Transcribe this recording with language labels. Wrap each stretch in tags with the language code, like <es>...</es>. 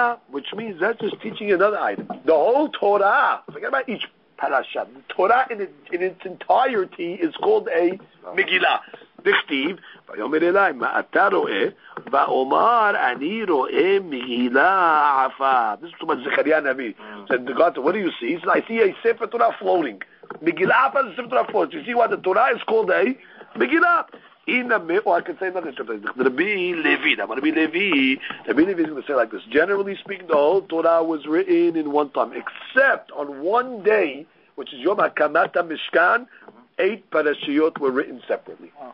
<en>Which means that's just teaching another item. The whole Torah, forget about each parasha, the Torah in its entirety is called a Megillah.</en> <he>דכתיב, ויאמר אליי, מה אתה רואה? ואומר, אני רואה מגילה עפה.</he> <en>This is what Zechariah הנביא. So God said, what do you see? He said, I see a Sefer Torah floating. מגילה עפה זה Sefer Torah floating. You see what the Torah is called a? מגילה. Iname, or I can say another interpretation. Rabbi Levi. Now, Rabbi Levi, Rabbi Levi is going to say like this. Generally speaking, the whole Torah was written in one time, except on one day, which is Yom HaKamat HaMishkan, eight parashiyot were written separately.</en>